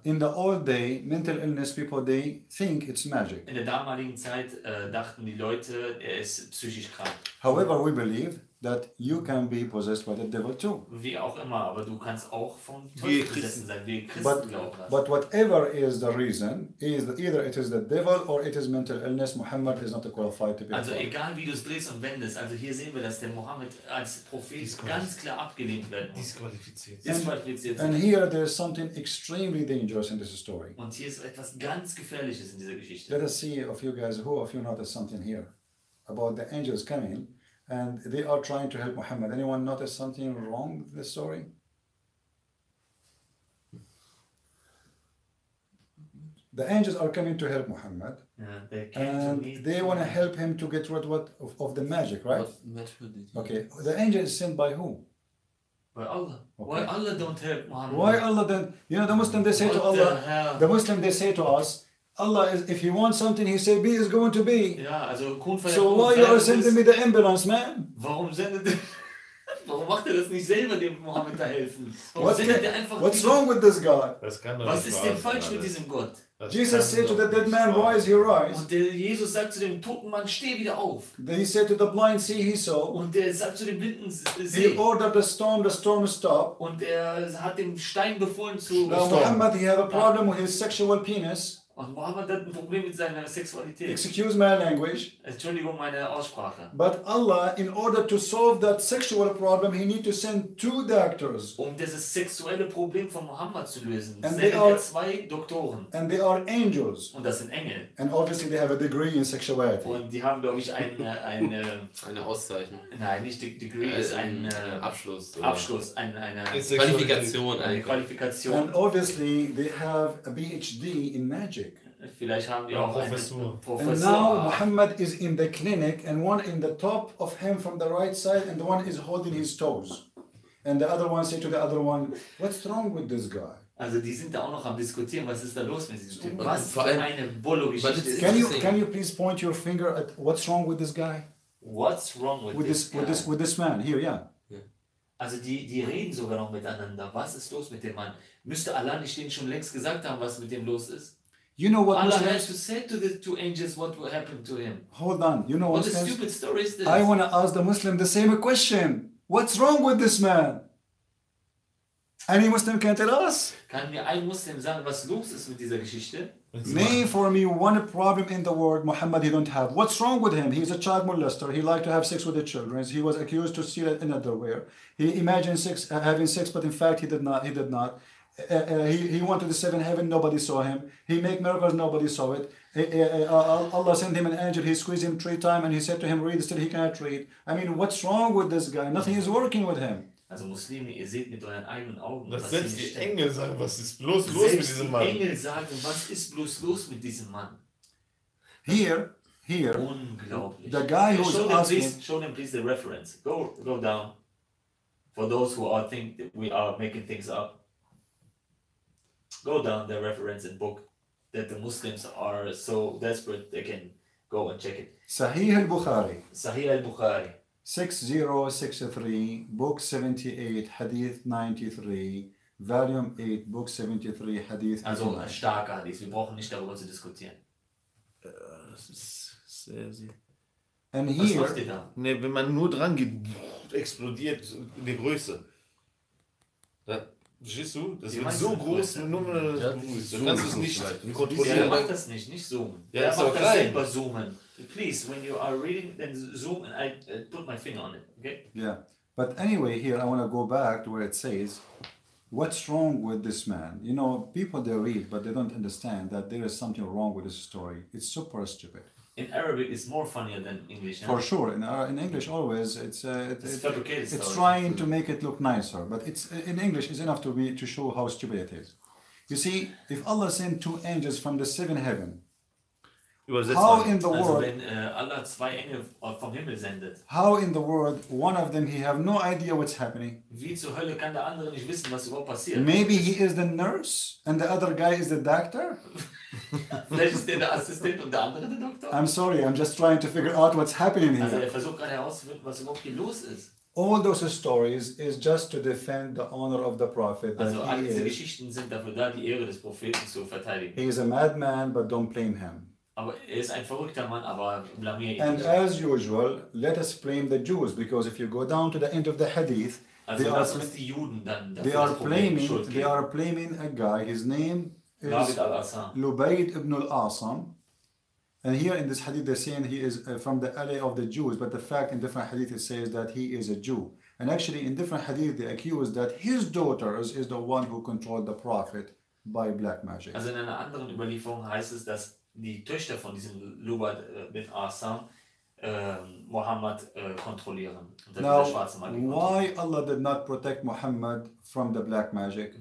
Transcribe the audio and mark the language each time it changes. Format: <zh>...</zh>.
<en>In the old day, mental illness people they think it's magic.</en> <de>In der damaligen Zeit dachten die Leute, er ist psychisch krank.</de> <en>However, we believe that you can be possessed by the devil too.</en> <de>Wie auch immer, aber du kannst auch vom Teufel besessen sein, wie Christen glauben.</de> <en>But whatever is the reason, is that either it is the devil or it is mental illness. Muhammad is not qualified to be.</en> <de>Also egal wie du es drehst und wendest, also hier sehen wir, dass der Muhammad als Prophet ganz klar abgelehnt wird. Disqualifiziert.</de> <en>And here there is something extremely dangerous in this story.</en> <de>Und hier ist etwas ganz Gefährliches in dieser Geschichte.</de> <en>Let us see of you guys, who of you notice something here about the angels coming. And they are trying to help Muhammad. Anyone notice something wrong with the story? The angels are coming to help Muhammad. Yeah, they and they want to help him to get rid of the magic, right? Okay, the angel is sent by who? By Allah. Okay. Why Allah don't help Muhammad? Why Allah then? You know, the Muslim they say what to Allah. The Muslim they say to us. Allah, is, if he wants something, he say, be is going to be. Yeah, also, so why you are sending me the ambulance, man?</en> <de>Warum sendet warum macht er das nicht selber, dem Mohammed da helfen?</de> <en>What's wrong with this God?</en> <de>Das kann was ist denn falsch mit diesem Gott?</de> <en>Jesus said to the dead man, rise, he rise.</en> <de>Und der Jesus sagt zu dem toten Mann, steh wieder auf.</de> <en>Then he said to the blind, see, he saw.</en> <de>Und der sagt zu dem blinden, seh.</de> <en>He ordered the storm stop.</en> <de>Und er hat dem Stein befohlen zu</de> <en>Muhammad, he had a problem with his sexual penis.</en> <de>Und Muhammad hat ein Problem mit seiner Sexualität.</de> <en>Excuse my language.</en> <de>Entschuldigung meine Aussprache.</de> <en>But Allah, in order to solve that sexual problem, he need to send two doctors.</en> <de>Um dieses sexuelle Problem von Muhammad zu lösen, sendet er zwei Doktoren.</de> <en>And they are angels.</en> <de>Und das sind Engel.</de> <en>And obviously they have a degree in sexuality.</en> <de>Und die haben glaube ich eine Auszeichnung. Nein, nicht Degree, ist ein Abschluss. Oder? Abschluss, eine Qualifikation. Eine Qualifikation.</de> <en>And obviously they have a PhD in magic.</en> <de>Vielleicht haben die auch Professor.</de> <en>And now Muhammad is in the clinic and one in the top of him from the right side and the one is holding his toes. And the other one say to the other one, what's wrong with this guy?</en> <de>Also die sind da auch noch am Diskutieren, was ist da los mit diesem Typen? Was für eine Bolo-Geschichte.</de> <en>Can you please point your finger at what's wrong with this guy? What's wrong with this man? Here, yeah.</en> <de>Also die reden sogar noch miteinander. Was ist los mit dem Mann? Müsste Allah nicht denen schon längst gesagt haben, was mit dem los ist?</de> <en>You know what Allah has to say to the two angels what will happen to him. Hold on. You know what a stupid story is this? I want to ask the Muslim the same question. What's wrong with this man? Any Muslim can tell us?</en> <de>Kann mir ein Muslim sagen, was los ist mit dieser Geschichte?</de> <en>Name for me one problem in the world Muhammad he don't have. What's wrong with him? He's a child molester. He liked to have sex with the children. He was accused to steal it in underwear. He imagined having sex, but in fact he did not. He went to the seventh heaven. Nobody saw him. He make miracles. Nobody saw it. Allah sent him an angel. He squeezed him 3 times and he said to him, read. Still he cannot read. I mean, what's wrong with this guy? Nothing is working with him.</en> <de>Also Muslime, ihr seht mit euren eigenen Augen, was die stellt. Engel sagen, was ist bloß los mit diesem Mann? Engel sagen, was ist bloß los mit diesem Mann?</de> <en>Here.</en> <de>Unglaublich.</de> <en>The guy who is asking. Show them please the reference. Go down. For those who are think that we are making things up. Go down the reference and book that the Muslims are so desperate they can go and check it. Sahih al-Bukhari. 6063, book 78, hadith 93, volume 8, book 73, hadith 93.</en> <de>Also ein starker Hadith, wir brauchen nicht darüber zu diskutieren. Das ist sehr, sehr.</de> <en>And here,</en> <de>was macht ihr da? Ne, wenn man nur dran geht, explodiert in die Größe. Siehst du, das wird so groß, nur du kannst es nicht kontrollieren. Der macht das nicht zoomen. Ja, der macht das selber zoomen.</de> <en>Please, when you are reading, then zoom and I put my finger on it, okay? Yeah, but anyway, here I want to go back to where it says, what's wrong with this man? You know, people, they read, but they don't understand that there is something wrong with this story. It's super stupid. In Arabic, it's more funnier than English. For sure. In English, always, it's fabricated story. It's trying to make it look nicer, but it's in English, it's enough to show how stupid it is. You see, if Allah sent two angels from the seventh heaven, how in the world,</en> <de>also wenn Allah zwei Engel vom Himmel sendet,</de> <en>how in the world one of them he have no idea what's happening?</en> <de>Wie zur Hölle kann der andere nicht wissen, was überhaupt passiert?</de> <en>Maybe he is the nurse and the other guy is the doctor.</en> <de>Vielleicht ist der Assistent und der andere der Doktor.</de> <en>I'm sorry, I'm just trying to figure out what's happening here.</en> <de>Also er versucht gerade herauszufinden, was überhaupt hier los ist.</de> <en>All those stories is just to defend the honor of the Prophet.</en> <de>Also all diese Geschichten sind dafür da, die Ehre des Propheten zu verteidigen.</de> <en>He is a madman, but don't blame him.</en> <de>Aber er ist ein verrückter Mann, aber blamier ihn.</de> <en>And as usual, let us blame the Jews, because if you go down to the end of the hadith,</en> <de>also lass uns die Juden dann</de> <en>they are blaming, they are blaming a guy, his name is Lubayd ibn al-Asam. And here in this hadith they're saying he is from the ally of the Jews, but the fact in different hadith it says that he is a Jew. And actually in different hadith they accuse that his daughter is the one who controlled the Prophet by black magic.</en> <de>Also in einer anderen Überlieferung heißt es, dass die Töchter von diesem Lubayd ibn al-Asam Muhammad kontrollieren.</de> <en>Now, why Allah did not protect Muhammad from the black magic?</en>